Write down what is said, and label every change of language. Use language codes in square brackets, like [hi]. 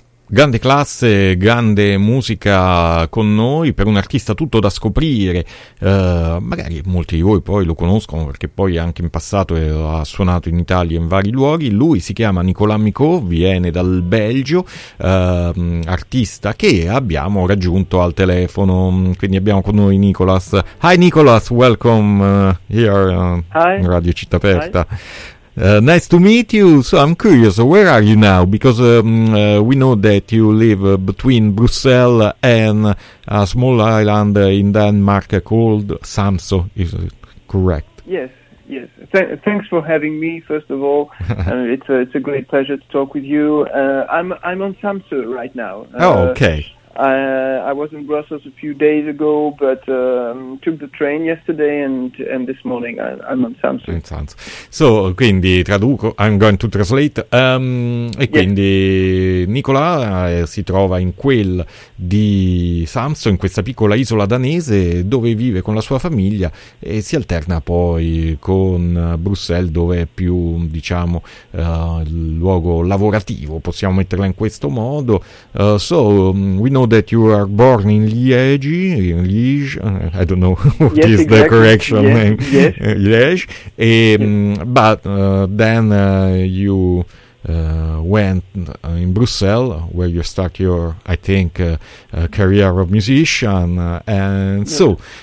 [it] Grande classe, grande musica con noi, per un artista tutto da scoprire, magari molti di voi poi lo conoscono perché poi anche in passato ha suonato in Italia in vari luoghi. Lui si chiama Nicolas Micaud, viene dal Belgio, artista che abbiamo raggiunto al telefono, quindi abbiamo con noi Nicolas. [en] Hi Nicolas, welcome here on Radio Città Aperta. Hi. Nice to meet you. So I'm curious, where are you now? Because we know that you live between Brussels and a small island in Denmark called Samsø. Is it correct? Yes. Yes. Thanks for having me. First of all, it's a great pleasure to talk with you. I'm on Samsø right now. Okay. I was in Brussels a few days ago, but took the train yesterday and this morning I'm on Samsø. In Samsø. So, [it] quindi traduco. [en] I'm going to translate. [it] E quindi yes. Nicola si trova in quel di Samsø, in questa piccola isola danese dove vive con la sua famiglia e si alterna poi con Bruxelles, dove è più, diciamo, il luogo lavorativo. Possiamo metterla in questo modo. [en] So we know that you are born in Liège, I don't know what yes, is exactly. the correct yes, name, yes. Liège, yes. But then you went in Brussels, where you start your, I think, career of musician, and yes. So